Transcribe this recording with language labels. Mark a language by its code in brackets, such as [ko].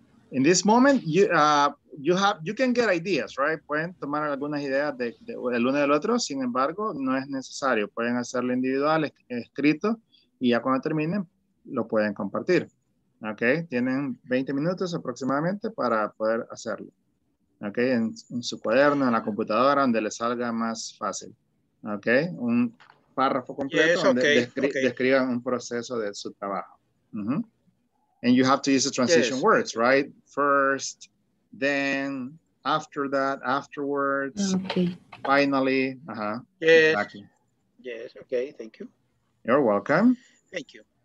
[en] In this moment, you can get ideas, right? [es] Pueden tomar algunas ideas de el uno del otro. Sin embargo, no es necesario. Pueden hacerlo individual, escrito, y ya cuando terminen, lo pueden compartir. Okay, tienen 20 minutos aproximadamente para poder hacerlo. Okay, en su cuaderno, en la computadora, donde le salga más fácil. Okay, un párrafo completo describan un proceso de su trabajo. Mm-hmm. [en] And you have to use the transition words, right? First, then, after that, afterwards, finally. Uh-huh. Yes. Exactly. Yes, okay, thank you. You're welcome. Thank you.